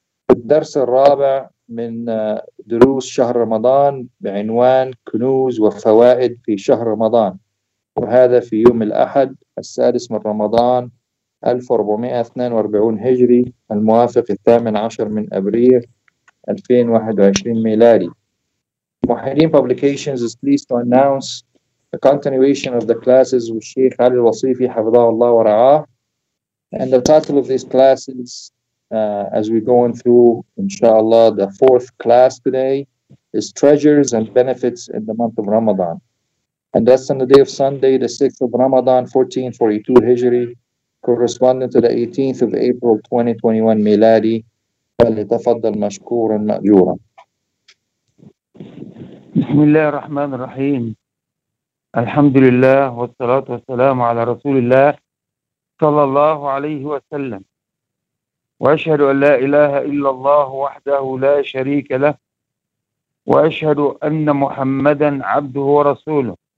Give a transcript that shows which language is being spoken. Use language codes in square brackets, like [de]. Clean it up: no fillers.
[ar] الدرس الرابع من دروس شهر رمضان بعنوان كنوز وفوائد في شهر رمضان، وهذا في يوم الأحد السادس من رمضان 1442 هجري، الموافق 18 من أبريل 2021 ميلادي. [en] Muhaddin Publications is pleased to announce the continuation of the classes with Sheikh Ali Al-Wasifi [ar] حفظه الله ورعاه. [en] And the title of these classes, as we're going through, inshallah, the fourth class today, is Treasures and Benefits in the Month of Ramadan. And that's on the day of Sunday, the 6th of Ramadan, 1442 Hijri, corresponding to the 18th of April, 2021 ميلادي. [ar] فليتفضل مشكورا مأجورا. بسم الله الرحمن الرحيم، الحمد لله والصلاة والسلام على رسول الله صلى الله عليه وسلم، وأشهد أن لا إله إلا الله وحده لا شريك له، وأشهد أن محمدا عبده ورسوله.